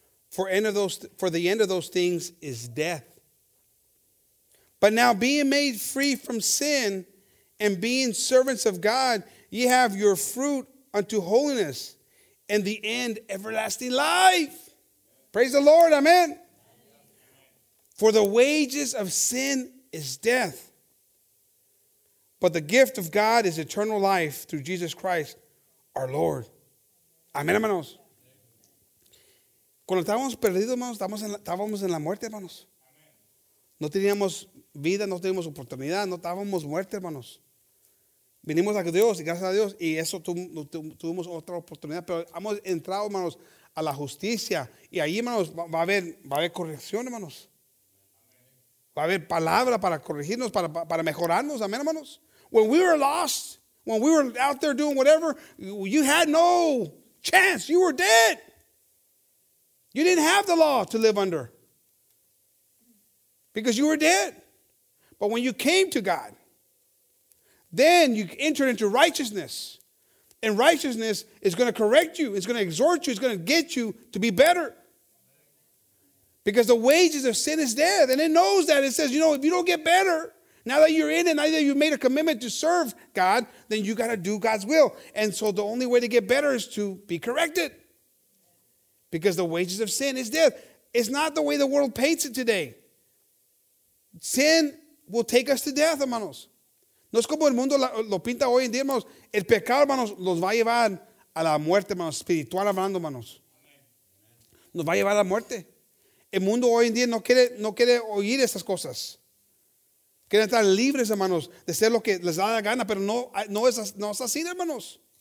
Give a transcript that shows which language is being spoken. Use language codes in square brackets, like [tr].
[en] For the end of those things is death. But now being made free from sin and being servants of God, ye have your fruit unto holiness and the end everlasting life. Praise the Lord. Amen. For the wages of sin is death, but the gift of God is eternal life through Jesus Christ, our Lord. [es] Amén, hermanos. Cuando estábamos perdidos, hermanos, estábamos en la muerte, hermanos. No teníamos vida, no teníamos oportunidad, no estábamos muertos, hermanos. Vinimos a Dios, y gracias a Dios, y eso tuvimos otra oportunidad. Pero hemos entrado, hermanos, a la justicia. Y ahí, hermanos, va a haber corrección, hermanos. Va a haber palabra para corregirnos, para mejorarnos. Amén, hermanos. [en] When we were lost, when we were out there doing whatever, you had no chance. You were dead. You didn't have the law to live under because you were dead. But when you came to God, then you entered into righteousness. And righteousness is going to correct you. It's going to exhort you. It's going to get you to be better. Because the wages of sin is death. And it knows that. It says, you know, if you don't get better, now that you're in it, now that you've made a commitment to serve God, then you got to do God's will. And so the only way to get better is to be corrected. Because the wages of sin is death. It's not the way the world paints it today. Sin will take us to death, hermanos. [es] No es como el mundo lo pinta hoy en día, hermanos. El pecado, hermanos, los va a llevar a la muerte, hermanos. Espiritual hablando, hermanos. Nos va a llevar a la muerte. El mundo hoy en día no quiere oír esas cosas. Quieren estar libres, hermanos, de ser lo que les da la gana, pero no es así, hermanos.